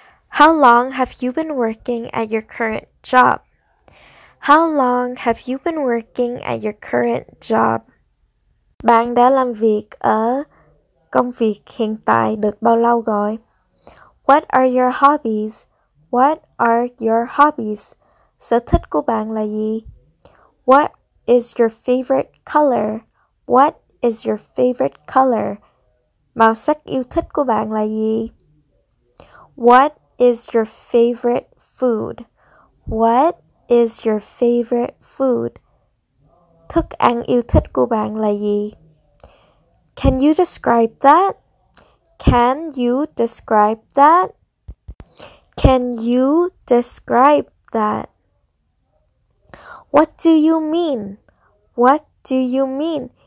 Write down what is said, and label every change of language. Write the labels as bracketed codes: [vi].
[en] How long have you been working at your current job? How long have you been working at your current job? [vi] Bạn đã làm việc ở công việc hiện tại được bao lâu rồi? [en] What are your hobbies? What are your hobbies? [vi] Sở thích của bạn là gì? [en] What is your favorite color? What is your favorite color? [vi] Màu sắc yêu thích của bạn là gì? [en] What is your favorite food? What is your favorite food? [vi] Thức ăn yêu thích của bạn là gì? [en] Can you describe that? Can you describe that? Can you describe that? What do you mean? What do you mean?